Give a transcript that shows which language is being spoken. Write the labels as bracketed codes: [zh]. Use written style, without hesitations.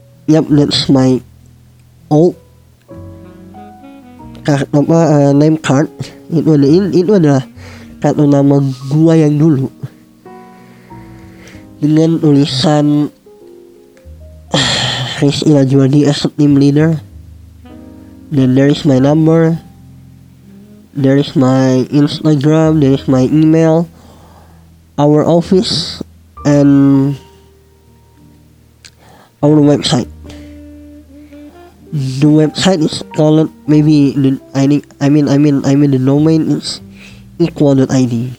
[en] Yep, that's my old [id] kartu apa [en] name card. [id] Itu adalah kartu nama gua yang dulu dengan tulisan Chris Ilajuwardi [en] as team leader. Then there is my number, there is my Instagram, there is my email, our office, and our website. The website is called maybe I mean the domain is equal.id.